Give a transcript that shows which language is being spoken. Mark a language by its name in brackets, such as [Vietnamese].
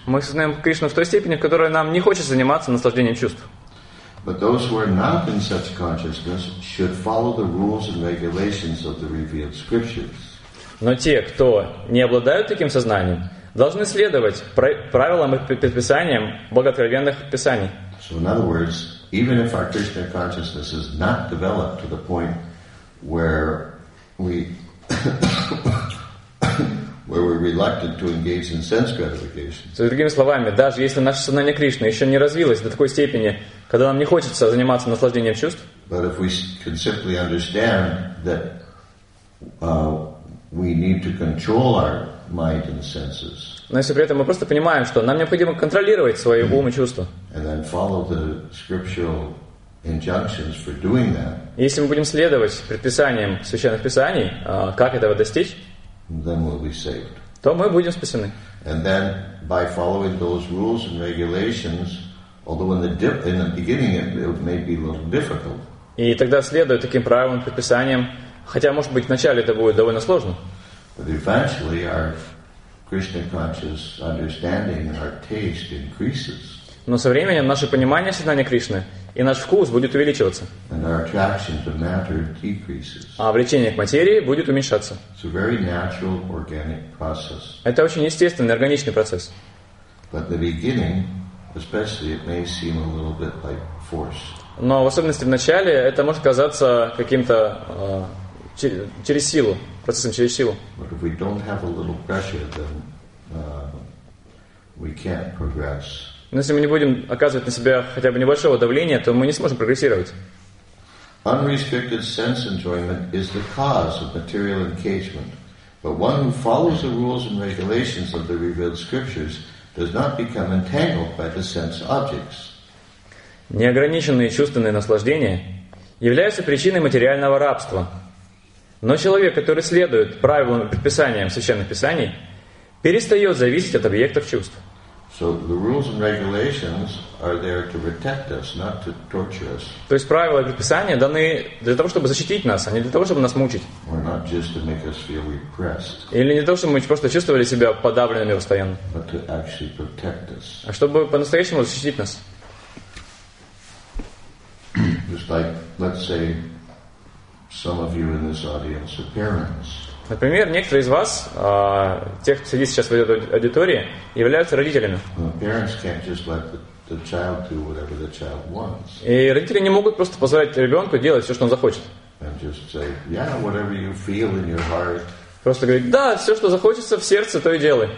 [Russian] Мы сознаем Кришну в той степени, в которой нам не хочется заниматься наслаждением чувств. [English] But those who are not in such consciousness should follow the rules and regulations of the revealed scriptures. [Russian] Но те, кто не обладают таким сознанием, должны следовать правилам и предписаниям богооткровенных писаний. [English] So in other words, even if our Krishna consciousness is not developed to the point where we where we reluctant to engage in sense gratification. [Russian] So, другими словами, даже если наше сознание Кришны еще не развилось до такой степени, когда нам не хочется заниматься наслаждением чувств, [English] but if we can simply understand that we need to control our mind and senses. [Russian] Но если при этом мы просто понимаем, что нам необходимо контролировать свои ум и чувства. [English] And then follow the scriptural injunctions for doing that. [Russian] Если мы будем следовать предписаниям священных писаний, как этого достичь? [English] Then we'll be saved. [Russian] То мы будем спасены. [English] And then by following those rules and regulations, although in the beginning it may be a little difficult. [Russian] И тогда следуя таким правилам, предписаниям, хотя может быть вначале это будет довольно сложно. [English] But eventually our Krishna conscious understanding and our taste increases. [Russian] Но со временем наше понимание сознания Кришны и наш вкус будет увеличиваться. [English] And our attraction to matter decreases. [Russian] А влечение к материи будет уменьшаться. [English] It's a very natural, organic process. [Russian] Это очень естественный, органичный процесс. [English] But the beginning, especially, it may seem a little bit like force. [Russian] Но в особенности в начале это может казаться каким-то через силу, процессом через силу. [English] But if we don't have a little pressure, then we can't progress. [Russian] Но если мы не будем оказывать на себя хотя бы небольшого давления, то мы не сможем прогрессировать. [English] Unrestricted sense enjoyment is the cause of material engagement, but one who follows the rules and regulations of the revealed scriptures does not become entangled by the sense objects. [Russian] Неограниченные чувственные наслаждения являются причиной материального рабства, но человек, который следует правилам и предписаниям священных писаний, перестает зависеть от объектов чувств. [English] So the rules and regulations are there to protect us, not to torture us. [Russian] То есть правила и предписания даны для того, чтобы защитить нас, а не для того, чтобы нас мучить. [English] Or not just to make us feel repressed. [Russian] Или не для того, чтобы мы просто чувствовали себя подавленными постоянно. [English] But to actually protect us. [Russian] А чтобы по-настоящему защитить нас. [English] Just like, let's say, some of you in this audience are parents. [Russian] Например, некоторые из вас, тех, кто сидит сейчас в этой аудитории, являются родителями. И родители не могут просто позволять ребенку делать все, что он захочет. Просто говорить, да, все, что захочется в сердце, то и делай.